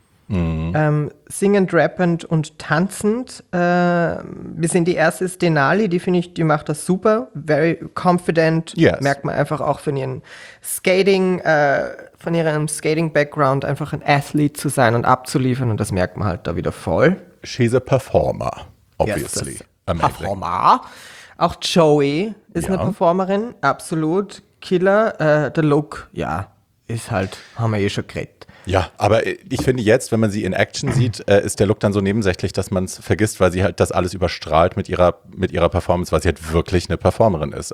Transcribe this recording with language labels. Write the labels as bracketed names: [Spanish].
[German] Singend, rappend und tanzend. Wir sehen, die erste ist Denali, die macht das super, [English] very confident. Yes. [German] Merkt man einfach auch von ihren von ihrem Skating-Background, einfach ein Athlete zu sein und abzuliefern, und das merkt man halt da wieder voll. [English] She's a performer, obviously. Yes, performer. [German] Auch Joey ist eine Performerin, absolut. Killer. Der Look, ist halt, haben wir eh schon geredet. Ja, aber ich finde jetzt, wenn man sie in Action sieht, ist der Look dann so nebensächlich, dass man es vergisst, weil sie halt das alles überstrahlt mit ihrer Performance, weil sie halt wirklich eine Performerin ist.